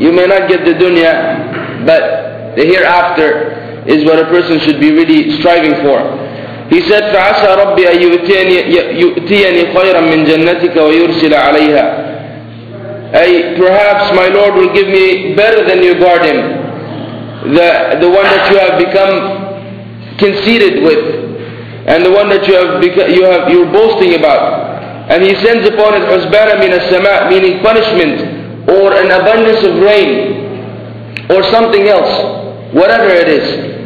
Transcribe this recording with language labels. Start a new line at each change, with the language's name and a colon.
English: You may not get the dunya, but the hereafter is what a person should be really striving for. He said,
Arabic: فَعَسَى رَبِّي أَن يُؤْتِيَنِي خَيْرًا مِّن جَنَّتِكَ وَيُرْسِلَ عَلَيْهَا.
English: Ay, perhaps my Lord will give me better than your garden, the one that you have become conceited with, and the one that you're boasting about. And he sends upon it
Arabic: عُزْبَانَ مِّنَ السَّمَاءِ,
English: meaning punishment, or an abundance of rain, or something else, whatever it is.